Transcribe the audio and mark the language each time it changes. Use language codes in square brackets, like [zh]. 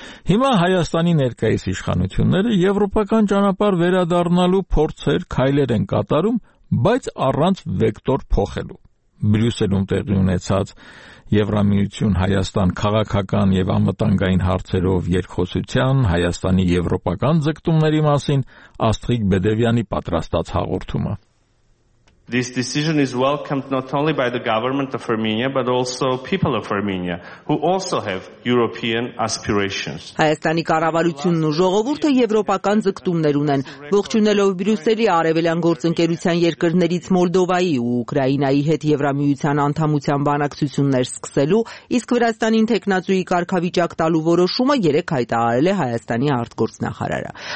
[hy] Հիմա Հայաստանի ներկայիս իշխանությունները եվրոպական ճանապարհ վերադառնալու փորձեր քայլեր են կատարում, բայց առանց վեկտոր փոխելու։ Բրյուսելում տեղի ունեցած Եվրամիություն Հայաստան քաղաքական և անվտանգային հարցերով երկխոսության Հայաստանի եվրոպական ձգտումների մասին Աստղիկ Բեդևյանի պատրաստած հաղորդումը։ [en] This decision is welcomed not only by the government of Armenia but also people of Armenia who also have European aspirations. [hy] Հայաստանի կառավարությունն ու ժողովուրդը եվրոպական ձգտումներ ունեն, ողջունելով Բրյուսելի արևելյան գործընկերության երկրներից Մոլդովայի ու Ուկրաինայի հետ եվրամիության անդամության բանակցություններ սկսելու, իսկ Վրաստանին թեկնածուի կարգավիճակ տալու որոշումը երեք հայտարարել է Հայաստանի արտգործնախարարը։